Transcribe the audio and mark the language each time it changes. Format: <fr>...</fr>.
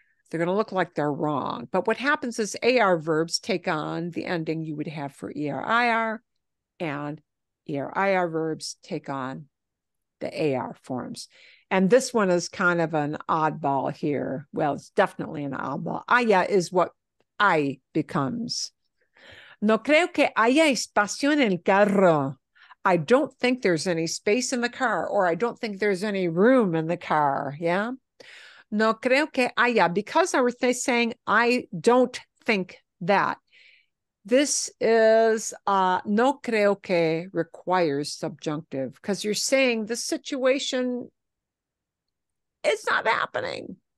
<en>They're going to look like they're wrong. But what happens is AR verbs take on the ending you would have for ER, IR, and ER, IR verbs take on the AR forms. And this one is kind of an oddball here. Well, it's definitely an oddball. Haya is what I becomes.</en> <es>No creo que haya espacio en el carro.</es> <en>I don't think there's any space in the car, or I don't think there's any room in the car. Yeah.</en> <es>No creo que haya,</es> <en>because I was saying, I don't think that. This is,</en> <es>no creo que</es> <en>requires subjunctive, because you're saying the situation is not happening.</en>